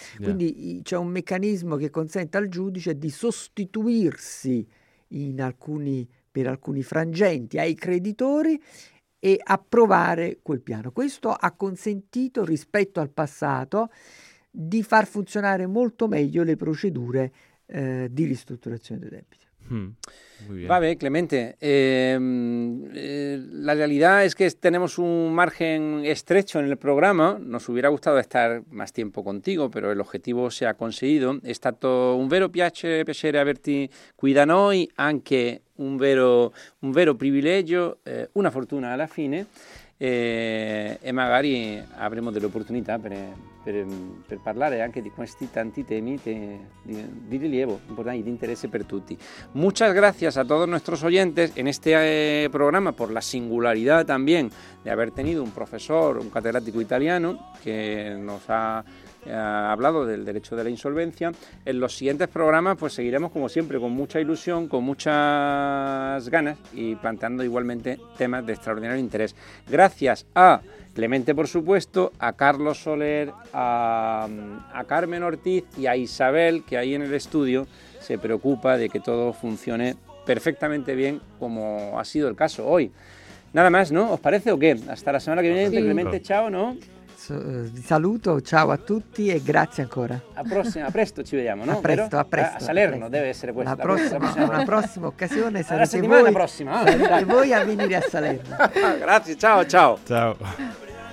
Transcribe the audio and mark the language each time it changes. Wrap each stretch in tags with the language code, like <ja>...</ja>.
<it>Quindi c'è un meccanismo che consente al giudice di sostituirsi per alcuni frangenti ai creditori e approvare quel piano. Questo ha consentito, rispetto al passato, di far funzionare molto meglio le procedure di ristrutturazione dei debiti.</it> <es>Vale, Clemente, la realidad es que tenemos un margen estrecho en el programa. Nos hubiera gustado estar más tiempo contigo, pero el objetivo se ha conseguido.</es> <it>È stato un vero piacere averti qui da noi, anche un vero privilegio, una fortuna alla fine. E magari avremo delle opportunità per parlare anche di questi tanti temi di rilievo importanti, di interesse per tutti.</it> <es>Muchas gracias a todos nuestros oyentes en este programa por la singularidad también de haber tenido un profesor, un catedrático italiano que nos ha hablado del derecho de la insolvencia. En los siguientes programas pues seguiremos como siempre con mucha ilusión, con muchas ganas y planteando igualmente temas de extraordinario interés. Gracias a Clemente, por supuesto, a Carlos Soler, a Carmen Ortiz y a Isabel, que ahí en el estudio se preocupa de que todo funcione perfectamente bien, como ha sido el caso hoy. Nada más, ¿no? ¿Os parece o qué? Hasta la semana que viene. Sí. Clemente, chao, ¿no?</es> <it>Vi saluto, ciao a tutti e grazie ancora. A presto ci vediamo, no? A presto. A Salerno, a presto. Deve essere questa. La prossima occasione sarà la settimana prossima. E voi a venire a Salerno. Grazie, ciao, ciao. Ciao.</it>